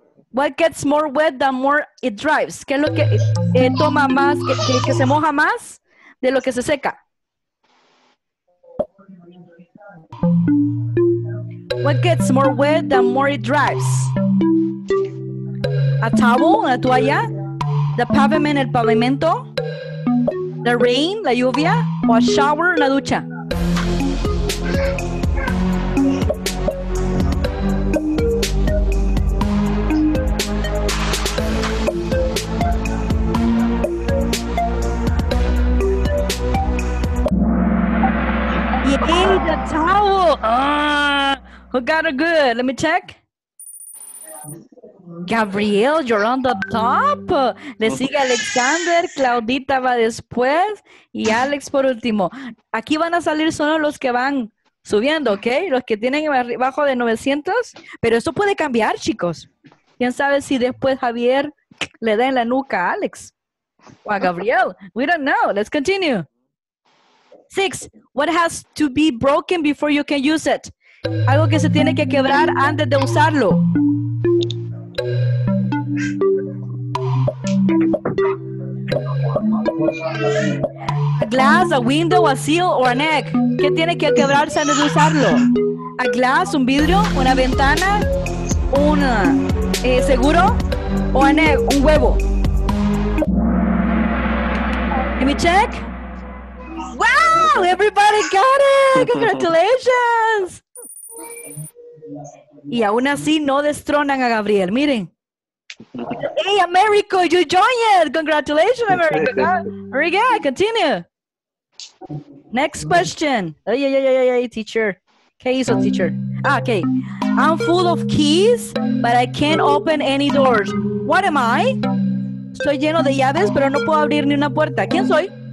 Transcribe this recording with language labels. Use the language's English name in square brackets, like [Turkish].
[English] What gets more wet the more it dries? [Spanish] ¿Qué es lo que toma más, que se moja más de lo que se seca? [English] What gets more wet the more it dries? A towel, [Spanish] una toalla. [English] The pavement, [Spanish] el pavimento. [English] The rain, [Spanish] la lluvia. O [English] a shower, [Spanish] la ducha. [English] In the towel. Who got a good? Let me check. Gabriel, you're on the top. [Spanish] Le sigue Alexander, Claudita va después y Alex por último. Aquí van a salir solo los que van subiendo, ¿ok? Los que tienen bajo de 900, pero eso puede cambiar, chicos. ¿Quién sabe si después Javier le da en la nuca a Alex o a Gabriel? [English] We don't know. Let's continue. 6. What has to be broken before you can use it? [Spanish] Algo que se tiene que quebrar antes de usarlo. [English] A glass, a window, a seal, or an egg. [Spanish] ¿Qué tiene que quebrarse antes de usarlo? [English] A glass, [Spanish] un vidrio, una ventana, un seguro, o [English] an egg, [Spanish] un huevo. [English] Let me check. Wow, everybody got it. Congratulations. [Spanish] Y aún así no destronan a Gabriel, miren. [English] Hey, America, you joined. Congratulations, America. Very good, continue. Next question. [Spanish] Ay, teacher. ¿Qué hizo, teacher? Ah, okay. [English] I'm full of keys, but I can't open any doors. What am I? [Spanish] Estoy lleno de llaves, pero no puedo abrir ni una puerta. ¿Quién soy?